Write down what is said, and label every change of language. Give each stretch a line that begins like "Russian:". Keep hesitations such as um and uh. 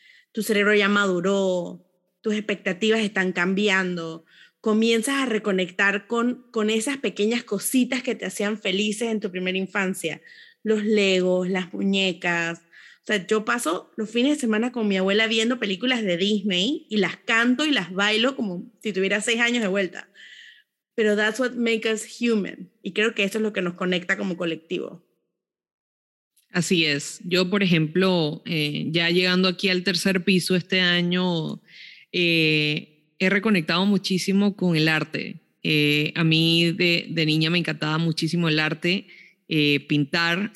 Spanish: Tu cerebro ya maduró, tus expectativas están cambiando, comienzas a reconectar con, con, esas pequeñas cositas que te hacían felices en tu primera infancia, los legos, las muñecas. O sea, yo paso los fines de semana con mi abuela viendo películas de Disney y las canto y las bailo como si tuviera seis años de vuelta.
English: Pero that's what makes us human.
Spanish: Y creo que eso es lo que nos conecta como colectivo. Así es. Yo, por ejemplo, eh, ya llegando aquí al tercer piso este año, eh, he reconectado muchísimo con el arte. Eh, a mí de, de, niña me encantaba muchísimo el arte, pintar.